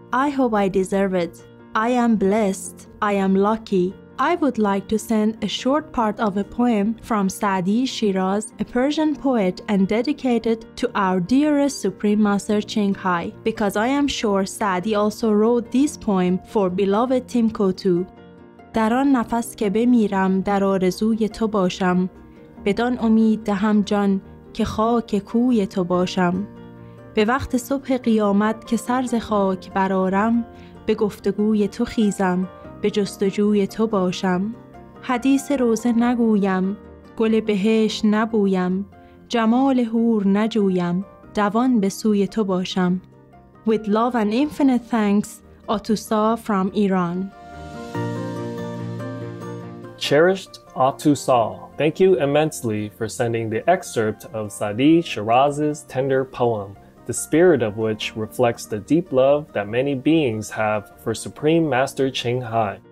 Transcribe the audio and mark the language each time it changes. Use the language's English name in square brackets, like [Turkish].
[English] I hope I deserve it. I am blessed. I am lucky. I would like to send a short part of a poem from Saadi Shiraz, a Persian poet, and dedicated to our dearest Supreme Master Qinghai, because I am sure Saadi also wrote this poem for beloved Tim Kotu. [Persian] در آن نفس که بمیرم در آرزوی تو باشم بدان امید دهم جان که خاک کوی تو باشم به وقت صبح قیامت که سر ز خاک برآرم به گفتگوی تو خیزم، به جستجوی تو باشم. حدیث روزه نگویم، گل بهش نبویم، جمال حور نجویم، دوان به سوی تو باشم. [English] With love and infinite thanks, Atusa from Iran. Cherished Atusa, thank you immensely for sending the excerpt of Saadi Shiraz's tender poem, the spirit of which reflects the deep love that many beings have for Supreme Master Qinghai.